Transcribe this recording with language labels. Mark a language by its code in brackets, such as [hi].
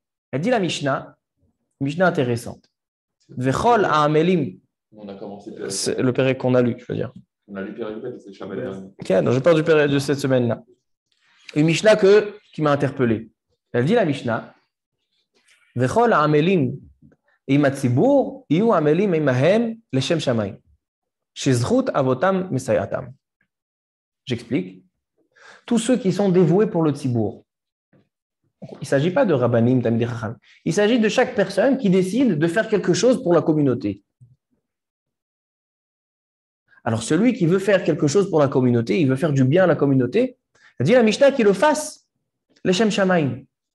[fr] Elle dit la Mishnah, Mishnah intéressante. [he] Vechol ha'amelim. [fr] On a commencé Perek. C'est le Perek qu'on a lu, je veux dire. On a lu Perek Bet, c'est jamais dernier. Ok, je parle de cette semaine-là. Une Mishnah qui m'a interpellé. Elle dit la Mishnah, [he] וכל העמלים עם הציבור יהיו עמלים עמהם לשם שמיים, שזכות אבותם מסייעתם. [fr] J'explique. Tous ceux qui sont dévoués pour le tzibour. Il ne s'agit pas de rabbanim, tamidei chacham. Il s'agit de chaque personne qui décide de faire quelque chose pour la communauté. Alors celui qui veut faire quelque chose pour la communauté, il veut faire du bien à la communauté, dit la Mishnah qu'il le fasse, [he] l'Hashem Shamayim.